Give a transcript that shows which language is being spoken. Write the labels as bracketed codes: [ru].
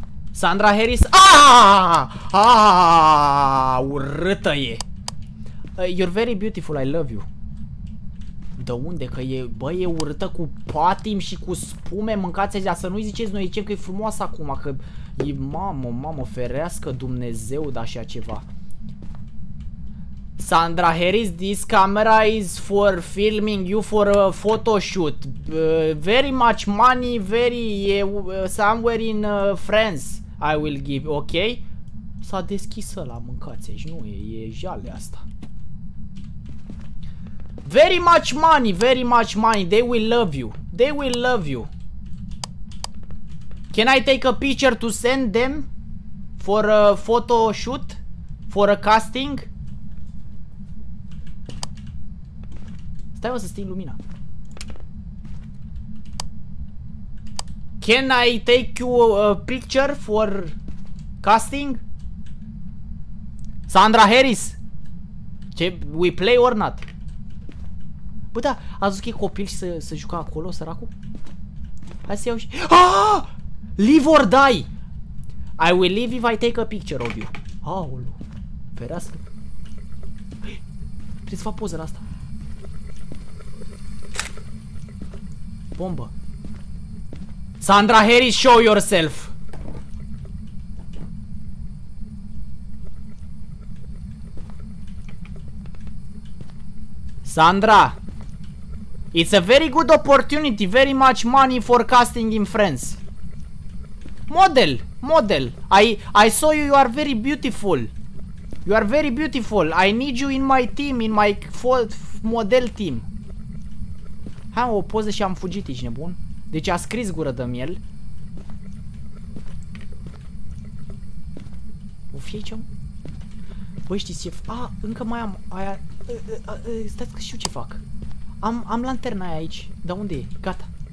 [ro] Sandra Harris. Aaaa! Urâtă e. [en] You're very beautiful, I love you. [ro] De unde? Că e, bă, e urâtă cu patim și cu spume, mâncați-a zis, să nu-i ziceți, noi zicem că e frumoasă acum, că e, mamă, mamă, ferească Dumnezeu de așa ceva. [en] Sandra Harris, this camera is for filming you for a photoshoot. Very much money, very, somewhere in France I will give, ok? [ro] S-a deschis ăla, mâncați-a zis, nu, e jale asta. [en] Very much money, very much money. They will love you. They will love you. Can I take a picture to send them for a photo shoot, for a casting? [ro] Stai, mă, să sting lumina. [en] Can I take you a picture for casting? Sandra Harris. Ce, we play or not? [ro] Bă, da, a zis că e copil și să jucă acolo, săracu. Hai să iau și... Aaaa! [en] Live or die! I will live if I take a picture of you. [ro] Aolo, ferească. Trebuie să fac poză la asta. [en] Bombă. Sandra Harris, show yourself! Sandra! It's a very good opportunity, very much money for casting in France. Model, model, I saw you, you are very beautiful. You are very beautiful, I need you in my team, in my model team. [ro] Hai, o poză și am fugit, ești nebun? Deci a scris gură de miel. O fi aici? Băi, știți ce? A, încă mai am aia. Stați că știu ce fac. Am lanterna aia aici. Dar unde e? Gata.